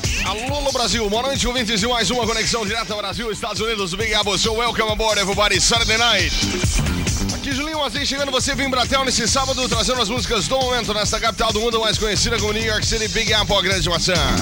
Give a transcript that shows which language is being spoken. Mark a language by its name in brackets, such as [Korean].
[Portuguese] Alô, Brasil, boa noite, ouvintes, e mais uma conexão direta Brasil, Estados Unidos, Big Apple Show. [English] Welcome aboard, everybody, Saturday night. [Portuguese] Aqui, Julinho, assim chegando você, vim Bratel nesse sábado, trazendo as músicas do momento nesta capital do mundo mais conhecida como New York City, Big Apple, a grande maçã.